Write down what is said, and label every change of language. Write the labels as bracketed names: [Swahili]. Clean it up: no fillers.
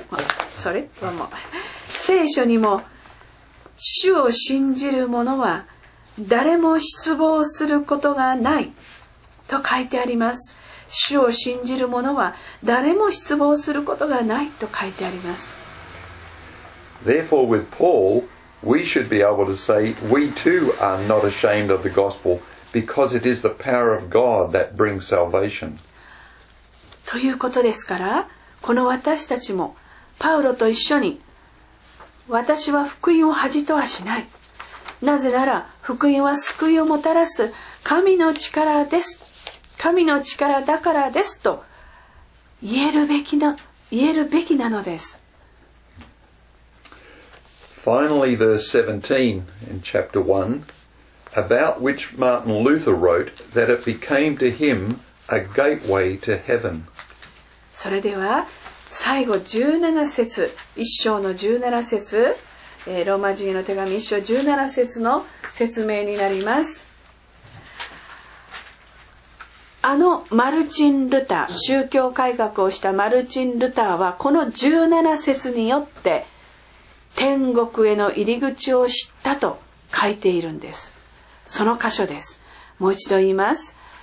[English] One more. [Japanese] 聖書にも、主を信じる者は誰も失望することがないと書いてあります。主を信じる者は誰も失望することがないと書いてあります。 [English] Therefore, with Paul, we should be able to say, we too are not ashamed of the gospel, because it is the power of God that brings salvation. [Japanese] ということですから、この私たちもパウロと一緒に、私は福音を恥とはしない、なぜなら福音は救いをもたらす神の力です、神の力だからですと言えるべきなのです。 [English] Finally, verse 17 in chapter 1, about which Martin Luther wrote that it became to him a gateway to heaven. [Japanese] それでは最後17節、一章の17節、ローマ人への手紙一章17節の説明になります。あのマルチン・ルター、宗教改革をしたマルチン・ルターはこの17節によって天国への入り口を知ったと書いているんです。その箇所です。もう一度言います。